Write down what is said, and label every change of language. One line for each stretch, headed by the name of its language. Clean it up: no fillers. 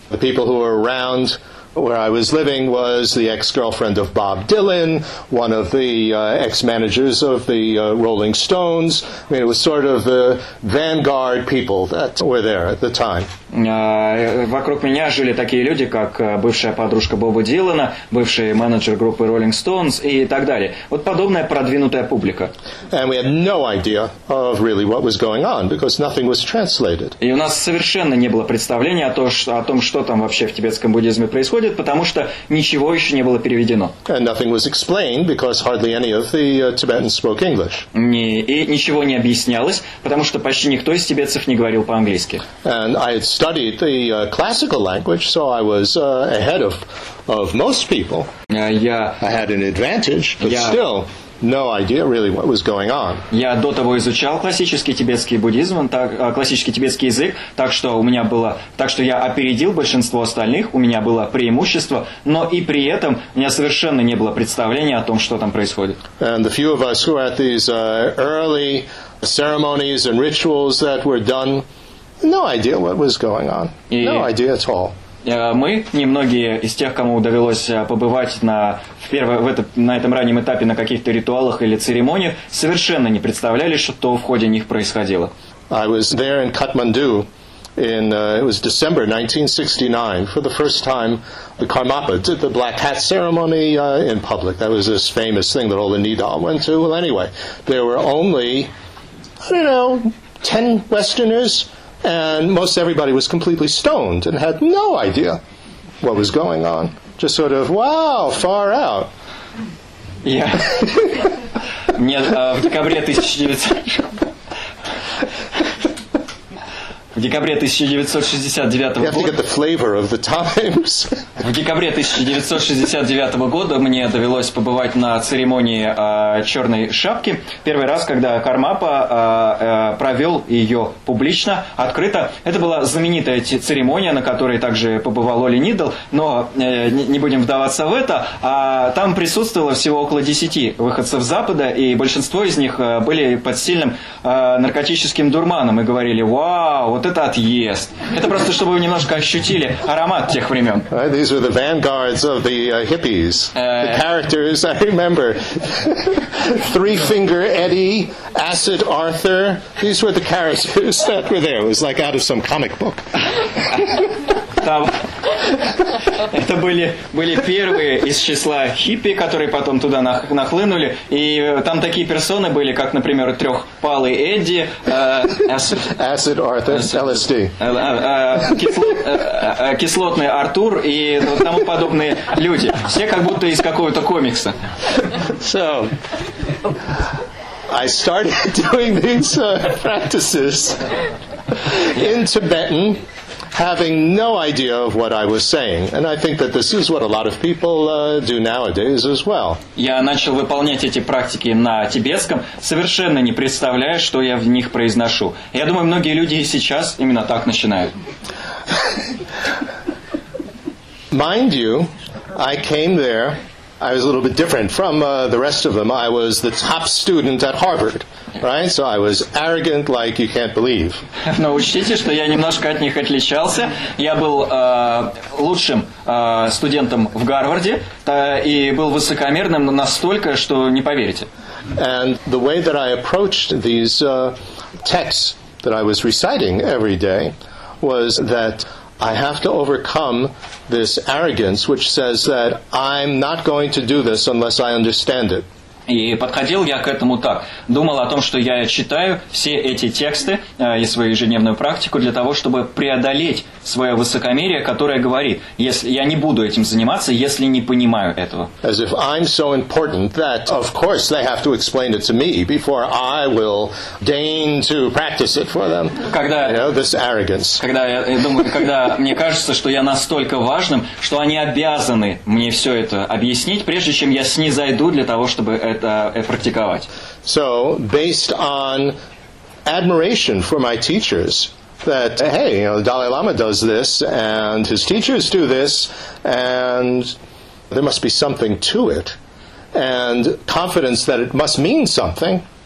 English: The people who were around where I was living was the ex-girlfriend of Bob Dylan, one of the ex-managers of the Rolling Stones. I mean, it was sort of the vanguard people that were there at the time.
Russian: Вокруг меня жили такие люди, как бывшая подружка Боба Дилана, бывший менеджер группы Rolling Stones и так далее. Вот подобная продвинутая публика.
English: And we had no idea of really what was going on, because nothing was translated.
Russian: И у нас совершенно не было представления о том, что там вообще в тибетском буддизме происходит, потому что ничего еще не было переведено.
English: And nothing was explained, because hardly any of the Tibetans spoke English.
Russian: И ничего не объяснялось, потому что почти никто из тибетцев не говорил по-английски.
English: And I had studied the classical language, so I was ahead of most people. I had an advantage, but still, no idea really what was going on.
Russian: Я до того изучал классический тибетский буддизм, классический тибетский язык, так что я опередил большинство остальных, у меня было преимущество, но и при этом у меня совершенно не было представления о том, что там происходит.
English: And the few of us who were at these early ceremonies and rituals that were done, no idea what was going on. No idea at all.
Russian: Мы, немногие из тех, кому удавилось побывать на этом раннем этапе на каких-то ритуалах или церемониях, совершенно не представляли, что в ходе них происходило.
English: I was there in Kathmandu it was December 1969. For the first time, the Karmapa did the black hat ceremony in public. That was this famous thing that all the Nidal went to. Well, anyway, there were only, I don't know, 10 Westerners. And most everybody was completely stoned and had no idea what was going on. Just sort of, wow, far out. Yeah.
Russian: Нет, в декабре 1969 года...
English: You have to get the flavor of the times.
Russian: В декабре 1969 года мне довелось побывать на церемонии «Черной шапки». Первый раз, когда Кармапа провел ее публично, открыто. Это была знаменитая церемония, на которой также побывал Оли Нидл, но не будем вдаваться в это. Там присутствовало всего около 10 выходцев Запада, и большинство из них были под сильным наркотическим дурманом и говорили: «Вау, вот это отъезд!» Это просто, чтобы вы немножко ощутили аромат тех времен.
English: Were the vanguards of the hippies. The characters, I remember. Three Finger Eddie, Acid Arthur. These were the characters that were there. It was like out of some comic book.
Russian: там это были первые из числа хиппи, которые потом туда нахлынули. И там такие персоны были, как, например, трехпалый Эдди.
English: Acid Arthur, LSD.
Russian: Кислотный Артур и тому подобные люди. Все как будто из какого-то комикса.
English: So, I started doing these practices in Tibetan, having no idea of what I was saying. And I think that this is what a lot of people do nowadays as well.
Russian: Я начал выполнять эти практики на тибетском, совершенно не представляя, что я в них произношу. Я думаю, многие люди и сейчас именно так начинают.
English: Mind you, I came there. I was a little bit different from the rest of them. I was the top student at Harvard, right? So I was arrogant like you can't believe.
Russian: Но учтите, что я немножко от них отличался. Я был лучшим студентом в Гарварде и был высокомерным настолько, что не поверите.
English: And the way that I approached these texts that I was reciting every day was that I have to overcome this arrogance, which says that I'm not going to do this unless I understand it.
Russian: И подходил я к этому так. Думал о том, что я читаю все эти тексты и свою ежедневную практику для того, чтобы преодолеть свое высокомерие, которое говорит, если я не буду этим заниматься, если не понимаю этого.
English: As if I'm so important that, of course, they have to explain it to me before I will deign to practice it for them.
Russian: Когда,
English: you know, this arrogance.
Russian: Когда я думаю, когда мне кажется, что я настолько важным, что они обязаны мне все это объяснить, прежде чем я снизойду для того, чтобы это практиковать.
English: So, based on admiration for my teachers, that, hey, you know, Dalai Lama does this, and his teachers do this, and there must be something to it, and confidence that it must mean something,